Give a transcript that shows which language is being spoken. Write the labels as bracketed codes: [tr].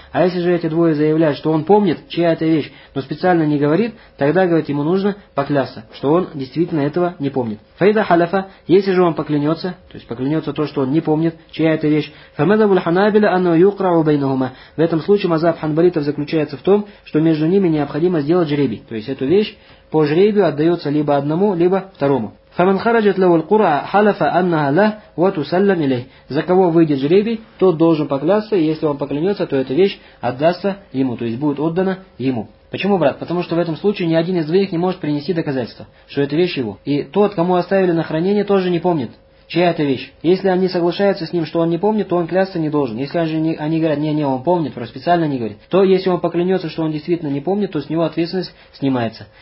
[ru] А если же эти двое заявляют, что он помнит, чья это вещь, но специально не говорит, тогда, говорит, ему нужно поклясться, что он действительно этого не помнит. [ar] Фаида халяфа, [ru] если же он поклянется, то есть поклянется то, что он не помнит, чья это вещь, [ar] фамеда буль ханабиля анну юкрау байнахума. [ru] В этом случае мазаб ханбалитов заключается в том, что между ними необходимо сделать жребий. То есть эту вещь по жребию отдается либо одному, либо второму. [ar] فمن خرجت له القرعة حلف أنها له وتسلم إليه. [ru] За кого выйдет жребий, тот должен поклясться, и если он поклянется, то эта вещь отдастся ему, то есть будет отдана ему. Почему, брат? Потому что в этом случае ни один из двоих не может принести доказательства, что эта вещь его. И тот, кому оставили на хранение, тоже не помнит. Чья это вещь? Если они соглашаются с ним, что он не помнит, то он клясться не должен. Если же они говорят, не, он помнит, просто специально не говорит, то если он поклянется, что он действительно не помнит, то с него ответственность снимается.